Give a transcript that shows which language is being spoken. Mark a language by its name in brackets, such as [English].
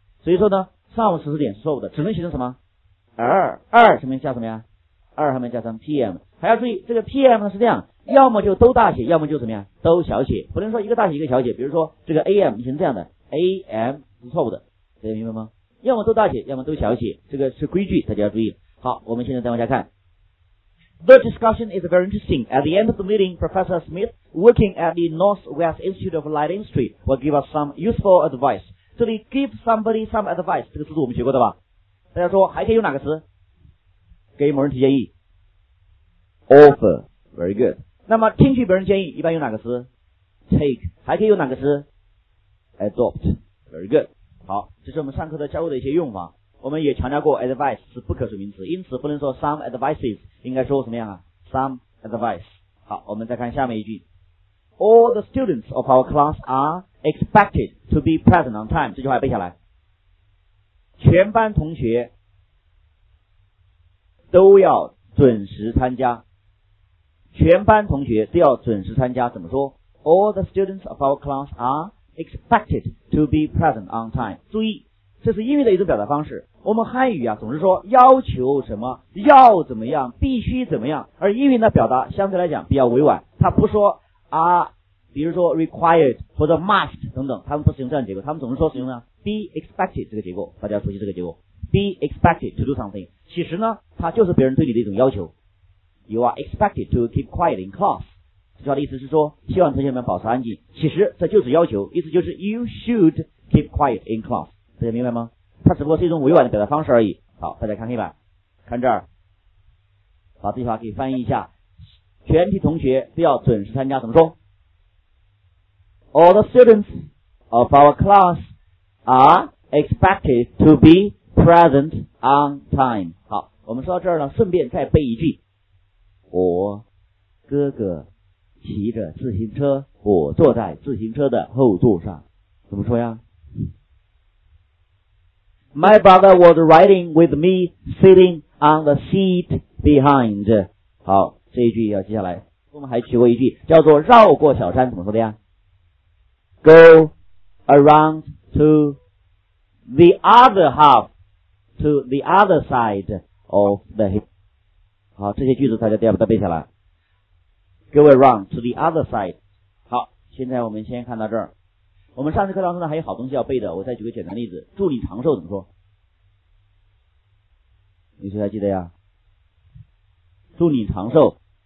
[Chinese] 所以说呢上午14点是错误的，只能写成什么 2 上面加什么呀，2上面加上 PM。还要注意这个 PM 是这样，要么就都大写，要么就怎么样都小写，不能说一个大写一个小写，比如说这个 AM 是这样的， AM 是错误的，大家明白吗？要么都大写要么都小写，这个是规矩，大家要注意。好，我们现在再往下看。 [English] The discussion is very interesting. At the end of the meeting, Professor Smith working at the Northwest Institute of Light Industry will give us some useful advice. [Chinese] 这里 [English] give somebody some advice [Chinese] 这个词我们学过的吧，大家说还可以用哪个词给某人提建议？ [English] Offer。 Very good. [Chinese] 那么听取别人建议一般用哪个词？ [English] Take. [Chinese] 还可以用哪个词？ [English] Adopt. Very good. [Chinese] 好，这是我们上课的教过的一些用法。我们也强调过 advice 是不可数名词，因此不能说 [English] some advices， [Chinese] 应该说什么样啊？ [English] Some advice. [Chinese] 好，我们再看下面一句。 [English] All the students of our class are expected to be present on time. [Chinese] 这句话背下来。全班同学都要准时参加。全班同学都要准时参加，怎么说？ [English] All the students of our class are expected to be present on time。 [Chinese] 注意这是英语的一种表达方式，我们汉语啊总是说要求什么，要怎么样，必须怎么样，而英语的表达相对来讲比较委婉，它不说 are， 比如说 required 或者 must 等等，他们不使用这样的结构，他们总是说使用呢 be expected 这个结构，大家熟悉这个结构 [English] be expected to do something， [Chinese] 其实呢它就是别人对你的一种要求。 [English] You are expected to keep quiet in class. [Chinese] 这句话的意思是说希望同学们保持安静，其实这就是要求，意思就是 [English] You should keep quiet in class. [Chinese] 大家明白吗？它只不过是一种委婉的表达方式而已。好，大家看黑板，看这儿，把这句话可以翻译一下，全体同学都要准时参加，怎么说？ [English] All the students of our class are expected to be present on time. [Chinese] 好，我们说到这儿呢顺便再背一句，我哥哥骑着自行车，我坐在自行车的后座上，怎么说呀？ [English] My brother was riding with me sitting on the seat behind。 [Chinese] 好，这一句要接下来我们还学过一句叫做绕过小山，怎么说的呀？ [English] Go around to the other half to the other side of the hill。 [Chinese] 好，这些句子大家都要把它背下来。 [English] Go around to the other side。 [Chinese] 好，现在我们先看到这儿。我们上次课当中呢还有好东西要背的，我再举个简单例子，祝你长寿怎么说？你谁还记得呀？祝你长寿。